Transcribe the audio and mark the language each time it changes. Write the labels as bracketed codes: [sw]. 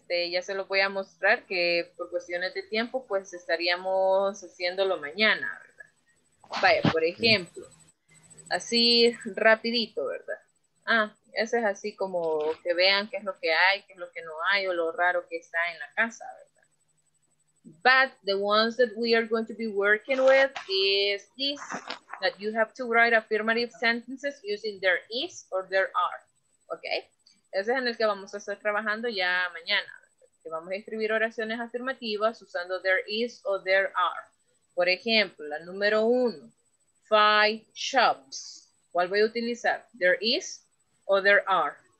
[es] Ya se lo voy a mostrar, que por cuestiones de tiempo, pues estaríamos haciéndolo mañana, ¿verdad? Vaya, por ejemplo, sí. Así rapidito, ¿verdad? Ah, Ese es así como que vean qué es lo que hay, qué es lo que no hay, o lo raro que está en la casa, ¿verdad? [en] But the ones that we are going to be working with is this, that you have to write affirmative sentences using there is or there are, okay? [es] Ese es en el que vamos a estar trabajando ya mañana, ¿verdad? Que vamos a escribir oraciones afirmativas usando there is o there are. Por ejemplo, la número uno, 5 shops. ¿Cuál voy a utilizar? [en] There is o there are.